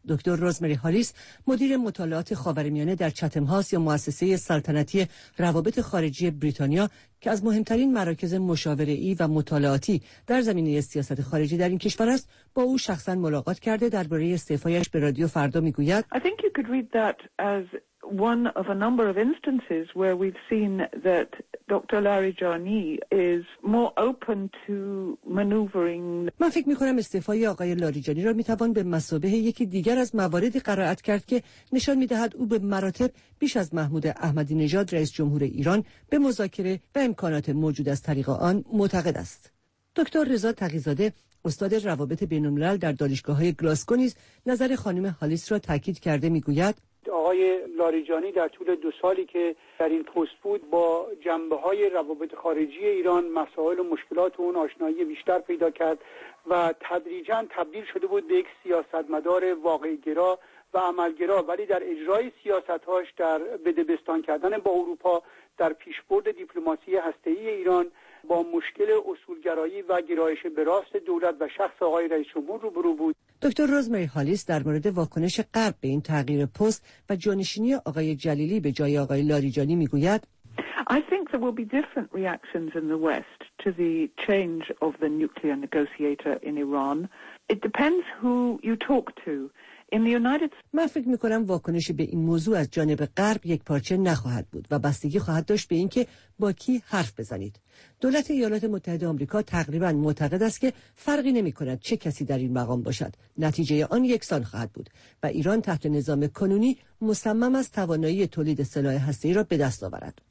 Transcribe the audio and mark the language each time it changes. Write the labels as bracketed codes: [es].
[fa] دکتر روزمری هاریس مدیر مطالعات خاورمیانه در چتم هاوس یا مؤسسه سلطنتی روابط خارجی بریتانیا که از مهمترین مراکز مشاوره‌ای و مطالعاتی در زمینه سیاست خارجی در این کشور است، با او شخصا ملاقات کرده درباره استعفایش به رادیو فردا میگوید: [en] I think you could read that as one of a number of instances where we've seen that Dr. Larijani is more open to maneuvering. [fa] من فکر می‌کنم استعفای آقای لاریجانی را می‌توان به مثابه یکی دیگر از مواردی قرائت کرد که نشان می‌دهد او به مراتب بیش از محمود احمدی نژاد رئیس جمهور ایران به مذاکره و امکانات موجود از طریق آن معتقد است. دکتر رضا تقی‌زاده استاد روابط بین‌الملل در دانشگاه‌های گلاسکو نیز نظر خانم هالیس را تأکید کرده می‌گوید: آقای لاریجانی در طول دو سالی که در این پست بود با جنبه‌های روابط خارجی ایران، مسائل و مشکلات و اون آشنایی بیشتر پیدا کرد و تدریجاً تبدیل شده بود به یک سیاستمدار واقع‌گرا و عملگرا، ولی در اجرای سیاست‌هاش، در بدبستان کردن با اروپا، در پیشبرد دیپلماسی هسته‌ای ایران، با مشکل اصولگرایی و گرایش به راست دولت و شخص آقای رئیس جمهور روبرو بود. دکتر روزمری هالیس در مورد واکنش غرب به این تغییر پست و جانشینی آقای جلیلی به جای آقای لاریجانی میگوید: [en] I think there will be different reactions in the West to the change of the nuclear negotiator in Iran. It depends who you talk to. [fa] من فکر میکنم واکنش به این موضوع از جانب غرب یک پارچه نخواهد بود و بستگی خواهد داشت به اینکه با کی حرف بزنید. دولت ایالات متحده آمریکا تقریبا معتقد است که فرقی نمیکند چه کسی در این مقام باشد، نتیجه آن یکسان خواهد بود و ایران تحت نظام کنونی مصمم است توانایی تولید سلاح هسته‌ای را به دست آورد.